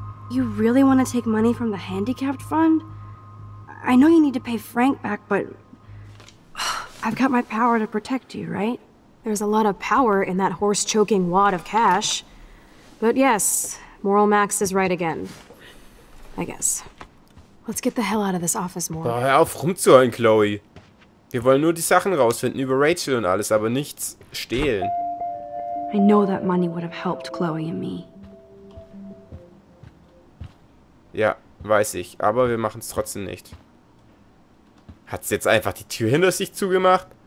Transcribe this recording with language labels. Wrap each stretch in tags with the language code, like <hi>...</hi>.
<en>You really want to take money from the handicapped fund? I know you need to pay Frank back, but I've got my power to protect you, right? There's a lot of power in that horse-choking wad of cash. But yes, Moral Max is right again. I guess. Let's get the hell out of this office, Moral.</en> <de>Oh, hör auf rumzuhören, Chloe. Wir wollen nur die Sachen rausfinden über Rachel und alles, aber nichts stehlen.</de> <en>I know that money would have helped Chloe and me.</en> <de>Ja, weiß ich, aber wir machen es trotzdem nicht. Hat sie jetzt einfach die Tür hinter sich zugemacht?</de>